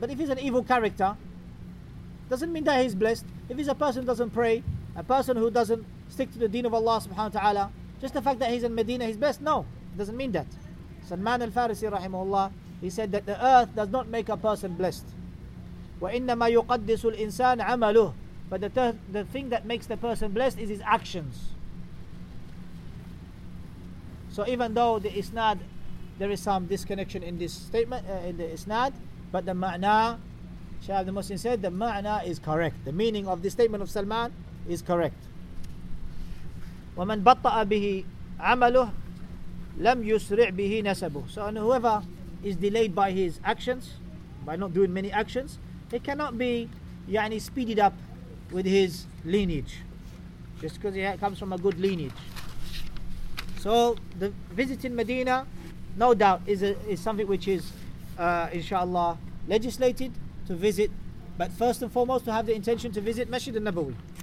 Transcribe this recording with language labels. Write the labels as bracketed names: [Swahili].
[English] But if he's an evil character, doesn't mean that he's blessed. If he's a person who doesn't pray, a person who doesn't stick to the deen of Allah subhanahu wa ta'ala, just the fact that he's in Medina, he's blessed? No, it doesn't mean that. Salman al-Farisi rahimahullah, he said that the earth does not make a person blessed. [Arabic] وإنما يقدس الإنسان عمله. [English] But the thing that makes the person blessed is his actions. So even though the isnad, there is some disconnection in this statement, in the isnad, but the ma'na, Shaykh Abdul Muhsin said, the ma'na is correct. The meaning of the statement of Salman is correct. [Arabic] ومن بطأ به عمله لم يسرع به نسبه. [English] So whoever is delayed by his actions, by not doing many actions, it cannot be يعني speeded up with his lineage, just because he comes from a good lineage. So the visiting Medina, no doubt, is something which is inshallah legislated to visit, but first and foremost to have the intention to visit Masjid al-Nabawi.